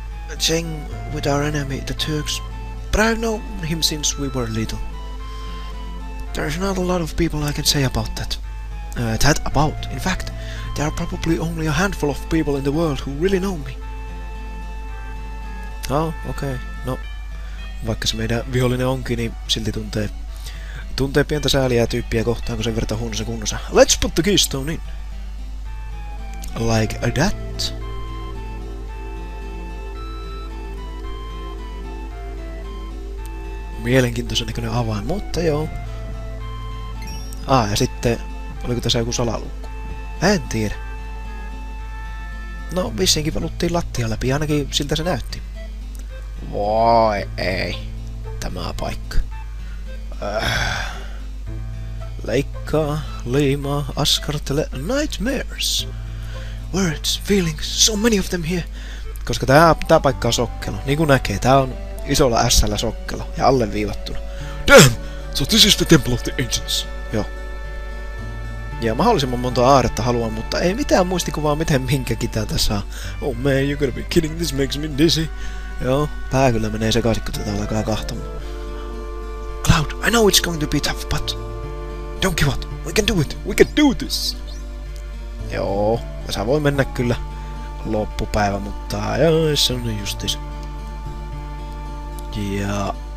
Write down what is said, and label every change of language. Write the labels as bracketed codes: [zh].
[en] A thing with our enemy, the Turks. But I've known him since we were little. There's not a lot of people I can say about that. That about, in fact. There are probably only a handful of people in the world who really know me. Oh, okay. [fi] No, vaikka se meidän vihollinen onkin, niin silti tuntee pientä sääliä tyyppiä kohtaan, kun sen verta huonossa kunnossa. [en] Let's put the keystone in. Like that? [fi] Mielenkiintoisen näköinen avain, mutta joo. Ja sitten, oliko tässä joku salaluku? En tiedä. No, vissiinkin valuttiin lattia läpi, ainakin siltä se näytti. Voi ei. Tämä paikka. Leikkaa, liimaa, askartele, nightmares. [en] Words, feelings, so many of them here. [fi] Koska tää paikka on sokkelo. Niin kuin näkee, tää on isolla S:llä sokkelo ja alleviivattuna. [en] Damn! So this is the Temple of the Ancients. [fi] Joo. Ja mahdollisimman monta aaretta haluan, mutta ei mitään muistikuvaa, miten minkäkin täältä saa. [en] Oh man, you gotta be kidding, this makes me dizzy. [fi] Joo, pää kyllä menee sekaisin, kun tätä alkaa kahtomaan. [en] Cloud, I know it's going to be tough, but... Don't give up, we can do it, we can do this! [fi] Joo, ja sä voi mennä kyllä loppupäivä, mutta se on justis. Ja...